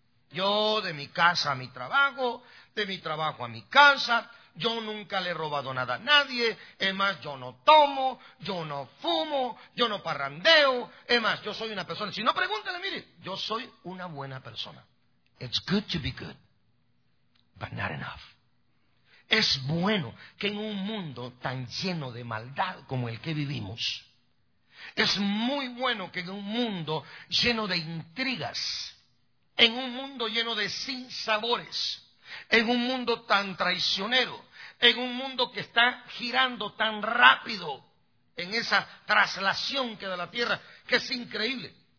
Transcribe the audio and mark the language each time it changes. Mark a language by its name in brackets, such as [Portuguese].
[Spanish] Yo de mi casa a mi trabajo, de mi trabajo a mi casa, yo nunca le he robado nada a nadie. Es más, yo no tomo, yo no fumo, yo no parrandeo. Es más, yo soy una persona. Si no, pregúntale, mire, yo soy una buena persona. [English] It's good to be good, but not enough. [Spanish] Es bueno que en un mundo tan lleno de maldad como el que vivimos, es muy bueno que en un mundo lleno de intrigas, en un mundo lleno de sinsabores, en un mundo tan traicionero, en un mundo que está girando tan rápido en esa traslación que da la tierra, que es increíble.